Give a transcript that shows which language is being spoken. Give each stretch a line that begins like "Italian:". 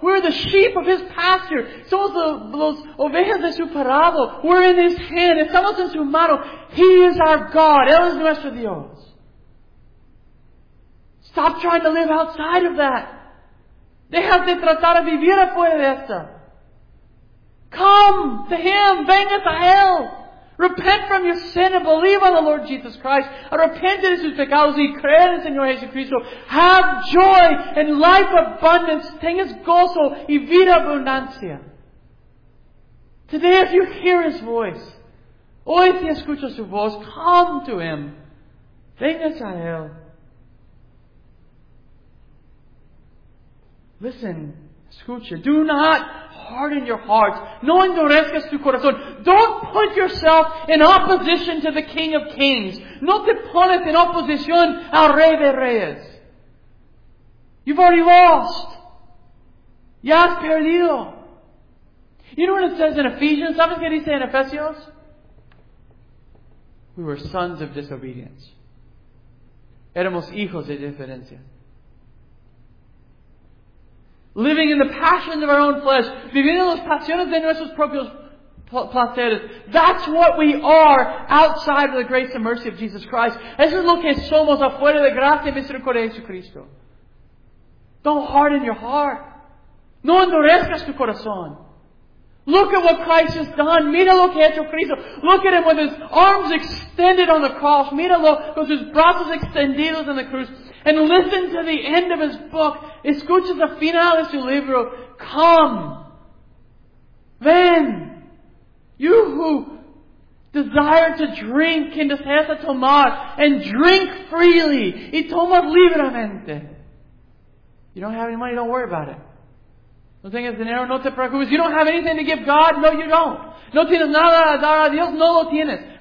English: We're the sheep of His pasture.
Spanish: Somos los ovejas de su parado.
English: We're in His hand.
Spanish: Estamos en su mano.
English: He is our God.
Spanish: Él es nuestro Dios.
English: Stop trying to live outside of that.
Spanish: Deja de tratar de vivir afuera de esta.
English: Come to Him.
Spanish: Venga a Él.
English: Repent from your sin and believe on the Lord Jesus Christ.
Spanish: Repent de sus pecados y creer en Señor Jesucristo.
English: Have joy and life abundance.
Spanish: Tengas gozo y vida abundancia.
English: Today, if you hear His voice,
Spanish: hoy si escuchas su voz,
English: come to Him.
Spanish: Venga a Él.
English: Listen, escucha. Do not harden your hearts.
Spanish: No endurezcas tu corazón.
English: Don't put yourself in opposition to the King of Kings.
Spanish: No te pones en oposición al Rey de Reyes.
English: You've already lost.
Spanish: Ya has perdido.
English: You know what it says in Ephesians?
Spanish: ¿Sabes qué dice en Efesios?
English: We were sons of disobedience.
Spanish: Éramos hijos de desobediencia.
English: Living in the passions of our own flesh.
Spanish: Viviendo las pasiones de nuestros propios placeres.
English: That's what we are outside of the grace and mercy of Jesus Christ.
Spanish: Eso es lo que somos afuera de gracia y misericordia de Jesucristo.
English: Don't harden your heart.
Spanish: No endurezcas tu corazón.
English: Look at what Christ has done.
Spanish: Mira lo que ha hecho Cristo.
English: Look at Him with His arms extended on the cross.
Spanish: Míralo con sus brazos extendidos en la cruz.
English: And listen to the end of His book.
Spanish: Escucha el final de su libro.
English: Come. Ven. You who desire to drink,
Spanish: quien desea tomar,
English: and drink freely.
Spanish: Y toma libremente.
English: You don't have any money, don't worry about it.
Spanish: No tengas dinero, no te preocupes.
English: You don't have anything to give God, no you don't.
Spanish: No tienes nada a dar a Dios, no lo tienes.